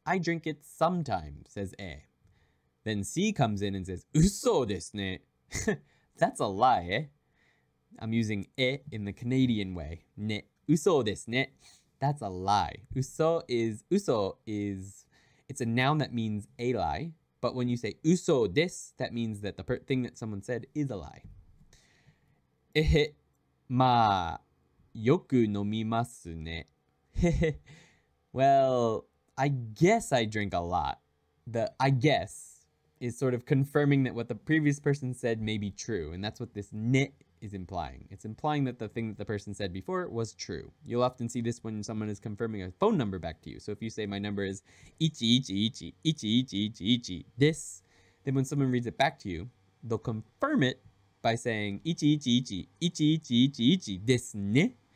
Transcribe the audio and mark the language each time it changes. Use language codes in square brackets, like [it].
[en] I drink it sometimes, says A. Then C comes in and says, [ja] うそですね. [en] That's a lie, eh? I'm using え in the Canadian way. [ja] ね, うそですね. [en] That's a lie. うそ is, it's a noun that means a lie. But when you say [ja] うそです, [en] that means that the thing that someone said is a lie. [ja] Ehe, ma, よく飲みますね. [en] Well, I guess I drink a lot. I guess is sort of confirming that what the previous person said may be true. And that's what this ne is implying. It's implying that the thing that the person said before was true. You'll often see this when someone is confirming a phone number back to you. So if you say my number is ichi ichi ichi ichi ichi ichi ichi this, then when someone reads it back to you, they'll confirm it by saying ichi ichi ichi ichi ichi ichi ichi this ne.